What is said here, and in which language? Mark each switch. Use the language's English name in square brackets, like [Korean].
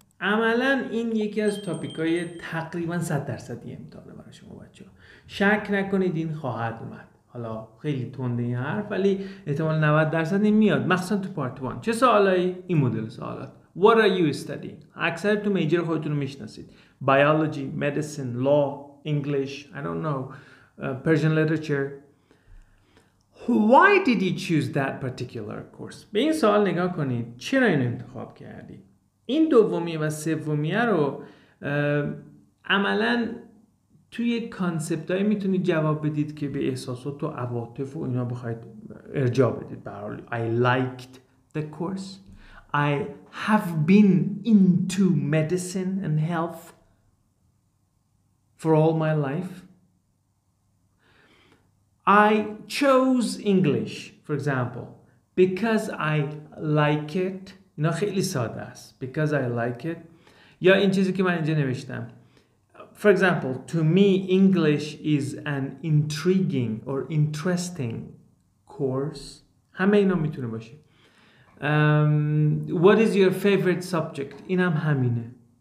[Persian] عملا این یکی از تاپیک های تقریبا 100% امتحانه برای شما بچه ها. شک نکنید این خواهد اومد. حالا خیلی تنده این حرف ولی احتمال 90% نمیاد. مخصوصا تو پارت 1. چه سوالایی؟ این مدل سوالات. [English] What are you studying? [Persian] اکثر تو میجر خودتون رو میشناسید. [English] Biology, Medicine, Law, English, I don't know, Persian Literature. Why did you choose that particular course? [Persian] به این سوال نگاه کنید. چرا این انتخاب کردی؟ این دومی و سومیه رو عملا توی کانسپت هایی میتونید جواب بدید که به احساسات و عواطف و اینا بخواید ارجاع بدید. [English] I liked the course. I have been into medicine and health for all my life. I chose English, for example, because I like it. [Persian] اینا خیلی ساده است. [English] Because I like it. [Persian] یا این چیزی که من اینجا نوشتم. [English] For example, to me, English is an intriguing or interesting course. [Persian] همه اینا میتونه باشه. [English] What is your favorite subject? [Persian] این هم همینه.